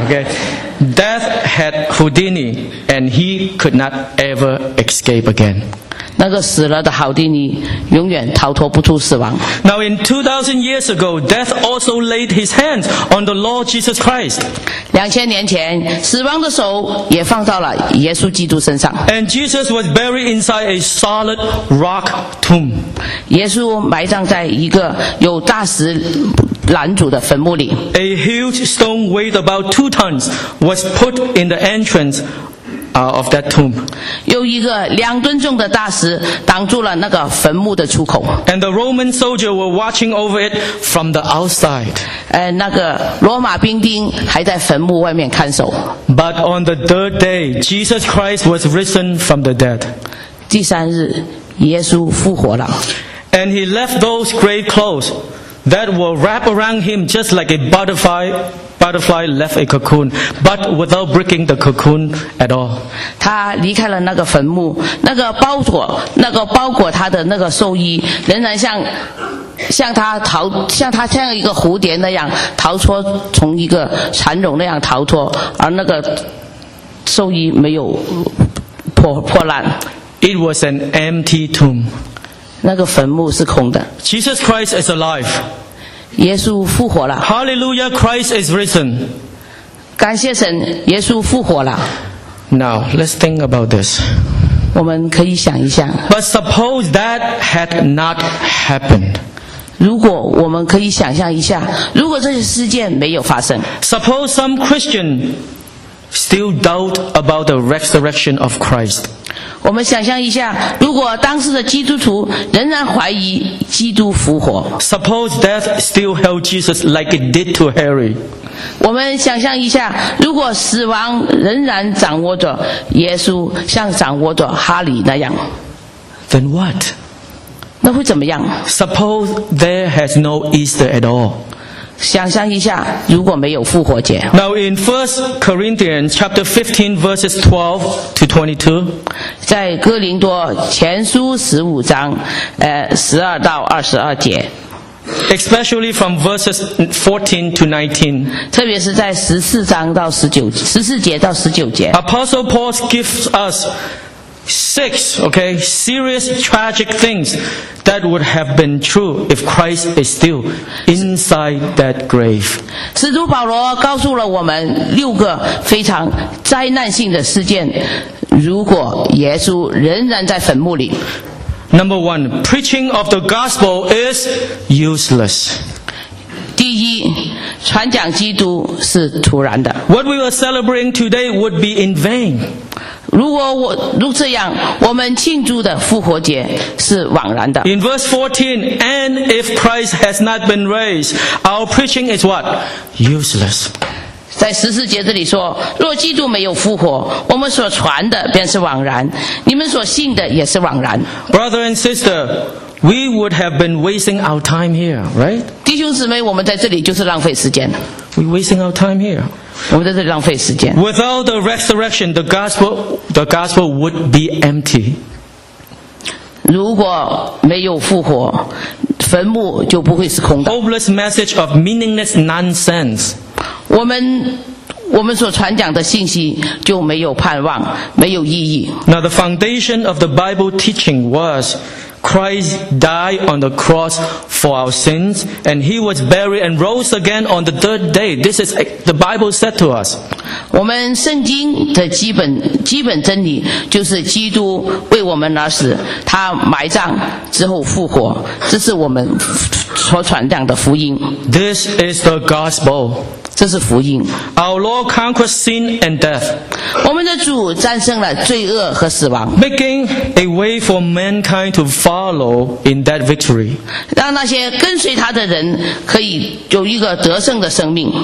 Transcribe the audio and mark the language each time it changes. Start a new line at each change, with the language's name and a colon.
English: Okay, death had Houdini, and he could not ever escape again.
Chinese: 那个死了的好迪尼永远逃脱不出死亡。
English: Now in 2000 years ago, death also laid his hands on the Lord Jesus Christ.
Chinese: 2000年前，死亡的手也放到了耶稣基督身上。
English: And Jesus was buried inside a solid rock tomb.
Chinese: 耶稣埋葬在一个有大石拦阻的坟墓里。
English: A huge stone weighed about 2 tons was put in the entrance. Of that tomb.
Chinese: 有一个两吨重的大石挡住了那个坟墓的出口。
English: And the Roman soldier were watching over it from the outside.
Chinese: 那个罗马兵丁还在坟墓外面看守。
English: But on the third day, Jesus Christ was risen from the dead.
Chinese: 第三日，耶稣复活了。
English: And he left those grave clothes that were wrapped around him just like a butterfly butterfly left a cocoon, but without breaking the cocoon at all.
Chinese: 他离开了那个坟墓，那个包裹他的那个寿衣，仍然像他像一个蝴蝶那样逃脱，从一个蚕蛹那样逃脱，而那个寿衣没有破烂。
English: It was an empty tomb.
Chinese: 那个坟墓是空的。
English: Jesus Christ is alive.
Chinese: 耶稣复活了。
English: Hallelujah, Christ is risen.
Chinese: 感谢神，耶稣复活了。
English: Now, let's think about this.
Chinese: 我们可以想一想。
English: But suppose that had not happened.
Chinese: 如果我们可以想象一下，如果这些事件没有发生。
English: Suppose some Christian still doubt about the resurrection of Christ.
Chinese: 我们想象一下，如果当时的基督徒仍然怀疑基督复活。
English: Suppose death still held Jesus like it did to Harry.
Chinese: 我们想象一下，如果死亡仍然掌握着耶稣，像掌握着哈里那样。
English: Then what?
Chinese: 那会怎么样？
English: Suppose there has no Easter at all.
Chinese: 想象一下，如果没有复活节。
English: Now in 1 Corinthians chapter 15 verses 12 to 22.
Chinese: 在哥林多前书15章12到22节。
English: Especially from verses 14 to 19.
Chinese: 特别是在14节到19节。
English: Apostle Paul gives us six, okay, serious tragic things that would have been true if Christ is still inside that grave.
Chinese: 使徒保罗告诉了我们六个非常灾难性的事件，如果耶稣仍然在坟墓里。
English: Number one, preaching of the gospel is useless.
Chinese: 第一，传讲基督是徒然的。
English: What we are celebrating today would be in vain.
Chinese: 如这样，我们庆祝的复活节是枉然的。
English: In verse 14, and if Christ has not been raised, our preaching is what? Useless.
Chinese: 在十四节这里说，若基督没有复活，我们所传的便是枉然，你们所信的也是枉然。
English: Brother and sister, we would have been wasting our time here, right?
Chinese: 弟兄姊妹，我们在这里就是浪费时间。
English: We're wasting our time here.
Chinese: 我们在这里浪费时间。
English: Without the resurrection, the gospel would be empty.
Chinese: 如果没有复活，坟墓就不会是空的。
English: Hopeless message of meaningless nonsense.
Chinese: 我们所传讲的信息就没有盼望，没有意义。
English: Now the foundation of the Bible teaching was. Christ died on the cross for our sins, and he was buried and rose again on the third day. This is the Bible said to us.
Chinese: 我们圣经的基本真理就是基督为我们而死，他埋葬之后复活，这是我们所传讲的福音。
English: This is the gospel.
Chinese: 这是福音。
English: Our Lord conquered sin and death.
Chinese: 我们的主战胜了罪恶和死亡。
English: Making a way for mankind to follow in that victory.
Chinese: 让那些跟随他的人可以有一个得胜的生命。